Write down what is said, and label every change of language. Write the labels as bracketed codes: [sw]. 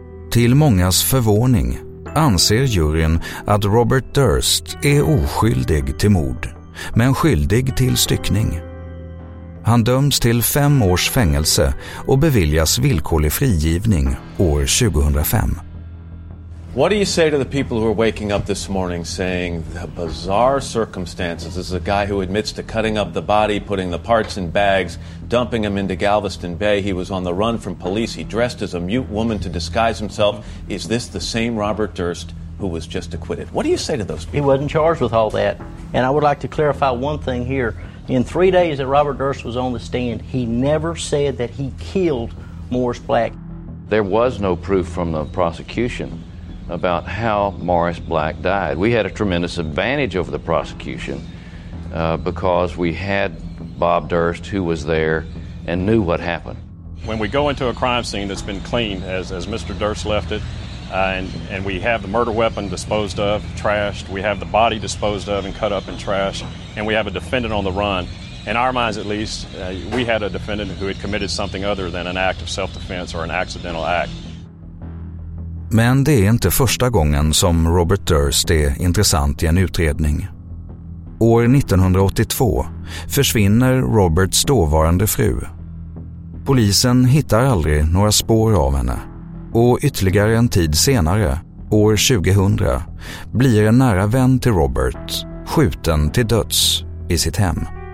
[sv] Till mångas förvåning anser juryn att Robert Durst är oskyldig till mord, men skyldig till styckning. Han döms till 5 års fängelse och beviljas villkorlig frigivning år 2005. [en] What do you say to the people who are waking up this morning saying the bizarre circumstances? This is a guy who admits to cutting up the body, putting the parts in bags, dumping them into Galveston Bay. He was on the run from police. He dressed as a mute woman to disguise himself. Is this the same Robert Durst who was just acquitted? What do you say to those people? He wasn't charged with all that. And I would like to clarify one thing here. In 3 days that Robert Durst was on the stand, he never said that he killed Morris Black. There was no proof from the prosecution about how Morris Black died. We had a tremendous advantage over the prosecution because we had Bob Durst, who was there and knew what happened. When we go into a crime scene that's been cleaned, as Mr. Durst left it, and we have the murder weapon disposed of, trashed, we have the body disposed of and cut up and trashed, and we have a defendant on the run. In our minds, at least, we had a defendant who had committed something other than an act of self-defense or an accidental act. [sv] Men det är inte första gången som Robert Durst är intressant i en utredning. År 1982 försvinner Roberts dåvarande fru. Polisen hittar aldrig några spår av henne. Och ytterligare en tid senare, år 2000, blir en nära vän till Robert skjuten till döds i sitt hem.